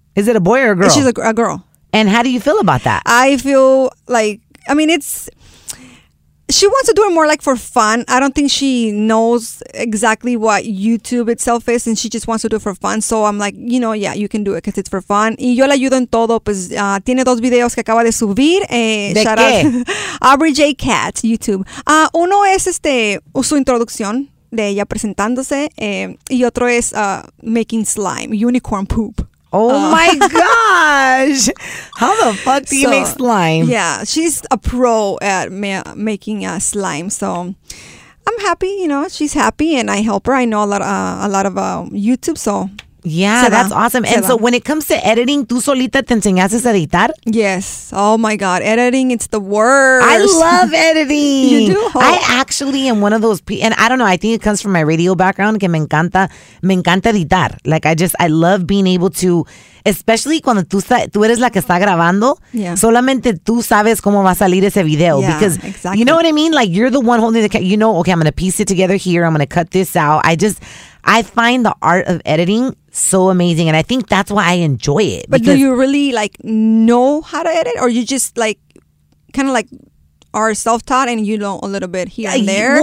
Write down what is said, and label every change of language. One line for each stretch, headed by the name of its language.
English: Is it a boy or a girl? She's a girl. And how do you feel about that? I feel like, I mean, it's... She wants to do it more like for fun. I don't think she knows exactly what YouTube itself is, and she just wants to do it for fun. So I'm like, you know, yeah, you can do it because it's for fun.
Spanish: Y yo le ayudo en todo. Pues tiene dos videos que acaba de subir. ¿De
English: shout
Spanish: qué?
English: Out. Aubrey J. Katz, YouTube.
Spanish: Uno es su introducción de ella presentándose, y otro es
English: making slime, unicorn poop. Oh my gosh. How the fuck do you make slime? Yeah, she's a pro at making slime. So I'm happy, you know, she's happy and I help her. I know a lot of YouTube, so. Yeah, that's awesome. And so when it comes to editing,
Spanish: ¿tú solita te enseñaste a editar?
English: Yes. Oh my God. Editing, it's the worst. I love editing. You do? Hope. I actually am one of those people, and I don't know, I think it comes from my radio background,
Spanish: que me encanta editar.
English: Like, I love being able to, especially
Spanish: cuando tú eres la que está grabando,
English: yeah.
Spanish: Solamente tú sabes cómo va a salir ese video.
English: Yeah, because, exactly. You know what I mean? Like, you're the one holding the camera. You know, okay, I'm going to piece it together here. I'm going to cut this out. I find the art of editing so amazing, and I think that's why I enjoy it. But do you really like know how to edit, or you just like kind of like are self-taught and you know a little bit here and there?